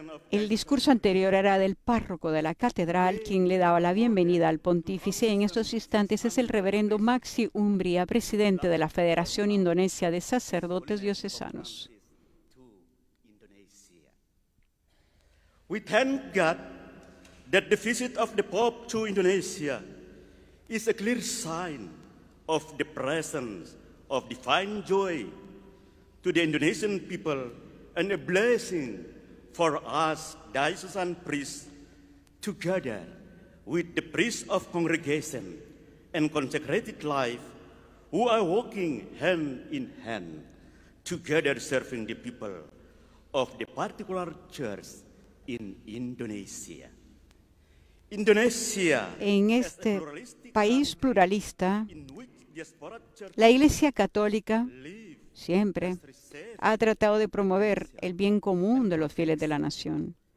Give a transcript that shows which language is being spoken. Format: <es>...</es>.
<es>El discurso anterior era del párroco de la catedral, quien le daba la bienvenida al pontífice. En estos instantes es el reverendo Maxi Umbria, presidente de la Federación Indonesia de Sacerdotes Diocesanos.</es> <en>We thank God that the visit of the Pope to Indonesia is a clear sign of the presence of divine joy to the Indonesian people and a blessing for us diocesan priests together with the priests of congregation and consecrated life who are walking hand in hand together serving the people of the particular church in Indonesia. Indonesia,</en> <es>en este país pluralista, la Iglesia Católica siempre ha tratado de promover el bien común de los fieles de la nación.</es>